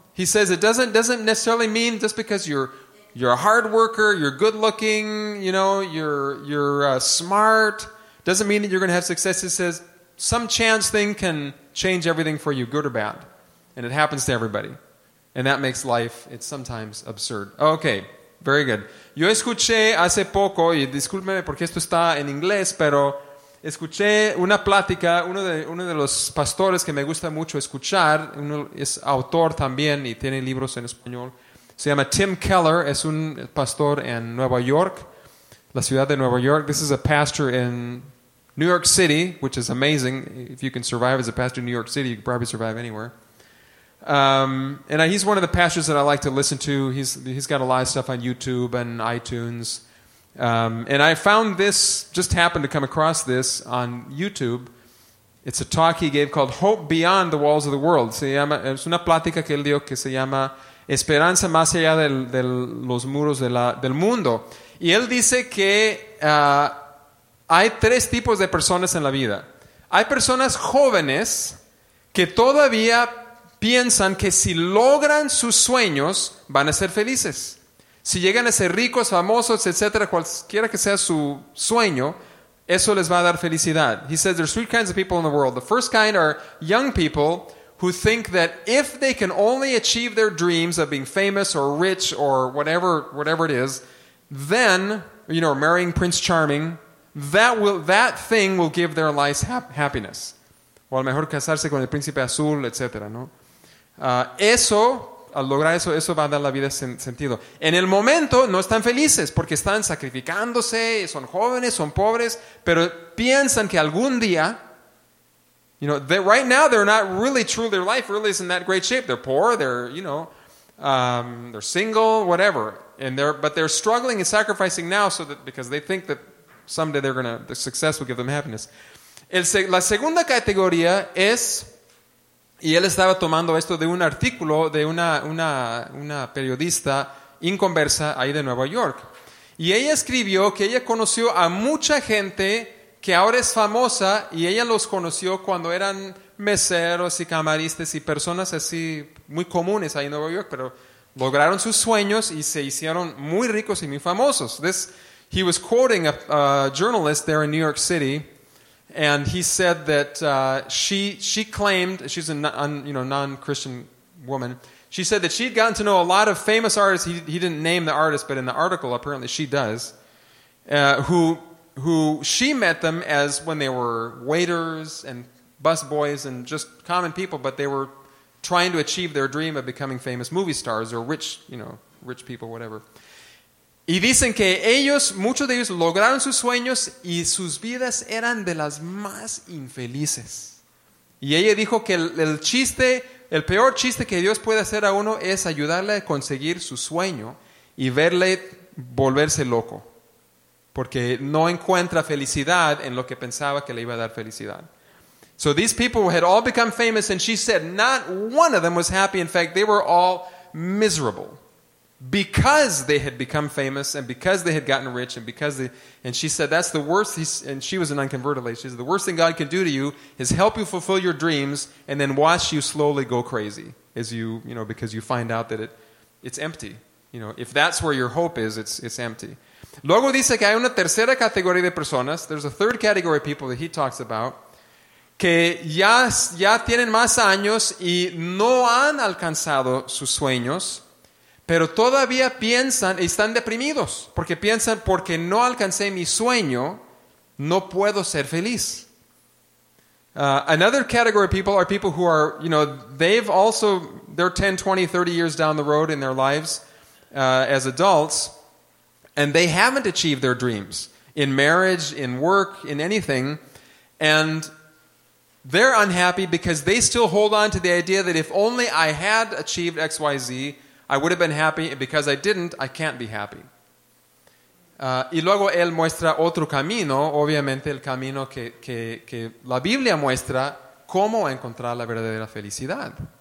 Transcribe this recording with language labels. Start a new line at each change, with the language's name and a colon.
English: He says it doesn't necessarily mean just because you're a hard worker, you're good looking, you know, you're smart, doesn't mean that you're going to have success. He says some chance thing can change everything for you, good or bad, and it happens to everybody, and that makes life it's sometimes absurd. Okay, very good.
Spanish: Yo escuché hace poco, y discúlpeme porque esto está en inglés, pero escuché una plática, uno de los pastores que me gusta mucho escuchar, uno es autor también y tiene libros en español, se llama Tim Keller, es un pastor en Nueva York, la ciudad de Nueva York.
English: This is a pastor in New York City, which is amazing. If you can survive as a pastor in New York City, you can probably survive anywhere. And he's one of the pastors that I like to listen to. He's got a lot of stuff on YouTube and iTunes. And I found this, just happened to come across this on YouTube. It's a talk he gave called Hope Beyond the Walls of the World.
Spanish: Se llama, es una plática que él dio que se llama Esperanza Más Allá de los Muros del Mundo. Y él dice que hay tres tipos de personas en la vida. Hay personas jóvenes que todavía piensan que si logran sus sueños van a ser felices. Si llegan a ser ricos, famosos, etcétera, cualquiera que sea su sueño, eso les va a dar felicidad.
English: He says there's three kinds of people in the world. The first kind are young people who think that if they can only achieve their dreams of being famous or rich or whatever it is, then, you know, marrying Prince Charming, that thing will give their lives happiness.
Spanish: O a lo mejor casarse con el príncipe azul, etc. ¿No? Eso, al lograr eso, eso va a dar la vida sentido. En el momento no están felices porque están sacrificándose, son jóvenes, son pobres, pero piensan que algún día,
English: you know, they, right now they're not really true, their life really isn't that great shape. They're poor, they're, you know, they're single, whatever. And they're, but they're struggling and sacrificing now so that, because they think that someday they're gonna, the success will give them happiness.
Spanish: La segunda categoría es, y él estaba tomando esto de un artículo de una periodista inconversa ahí de Nueva York. Y ella escribió que ella conoció a mucha gente que ahora es famosa y ella los conoció cuando eran meseros y camaristas y personas así muy comunes ahí en Nueva York, pero lograron sus sueños y se hicieron muy ricos y muy famosos.
English: This, he was quoting a journalist there in New York City. And he said that she claimed, she's a non-Christian woman, she said that she'd gotten to know a lot of famous artists, he didn't name the artist, but in the article apparently she does, who she met them as when they were waiters and busboys and just common people, but they were trying to achieve their dream of becoming famous movie stars or rich, you know, rich people, whatever.
Spanish: Y dicen que ellos, muchos de ellos, lograron sus sueños y sus vidas eran de las más infelices. Y ella dijo que el peor chiste que Dios puede hacer a uno es ayudarle a conseguir su sueño y verle volverse loco. Porque no encuentra felicidad en lo que pensaba que le iba a dar felicidad.
English: So these people had all become famous and she said not one of them was happy. In fact, they were all miserable. Because they had become famous and because they had gotten rich and because they, and she said that's the worst, and she was an unconverted lady. She said the worst thing God can do to you is help you fulfill your dreams and then watch you slowly go crazy as you, you know, because you find out that it's empty. You know, if that's where your hope is, it's empty.
Spanish: Luego dice que hay una tercera categoría de personas.
English: There's a third category of people that he talks about
Spanish: que ya tienen más años y no han alcanzado sus sueños. Pero todavía piensan y están deprimidos porque piensan porque no alcancé mi sueño, no puedo ser feliz.
English: Another category of people are people who are, you know, they've also, they're 10, 20, 30 years down the road in their lives as adults, and they haven't achieved their dreams in marriage, in work, in anything, and they're unhappy because they still hold on to the idea that if only I had achieved X, Y, Z, I would have been happy, and because I didn't, I can't be happy.
Spanish: Y luego él muestra otro camino, obviamente el camino que la Biblia muestra cómo encontrar la verdadera felicidad.